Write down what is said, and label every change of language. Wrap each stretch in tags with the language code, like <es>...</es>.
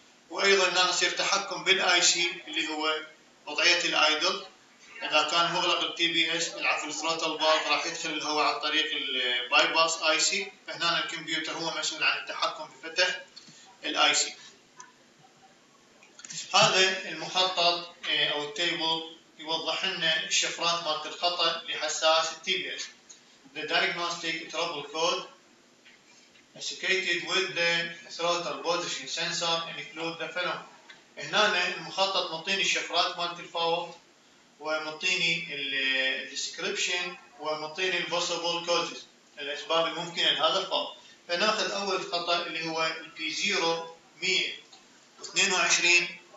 <ar>وايضا هنا يصير تحكم بالاي سي اللي هو وضعية الايدل، اذا كان مغلق التي بي اس العفو الثروتل فالف راح يدخل الهواء عن طريق الباي باس اي سي، فهنا الكمبيوتر هو مسؤول عن التحكم بفتح الاي سي. هذا المخطط او التيبل يوضح لنا الشفرات مالت الخطا لحساس التي بي اس.</ar> <en>The diagnostic trouble code associated with the throttle position sensor include the following.</en> <ar>هنا المخطط مطيني الشفرات مالت الفاول، ومطيني ال description، ومطيني ال</ar> <en>possible causes</en> <ar>الاسباب الممكنه لهذا الفاول. فناخذ اول خطا اللي هو البي 0122.</ar>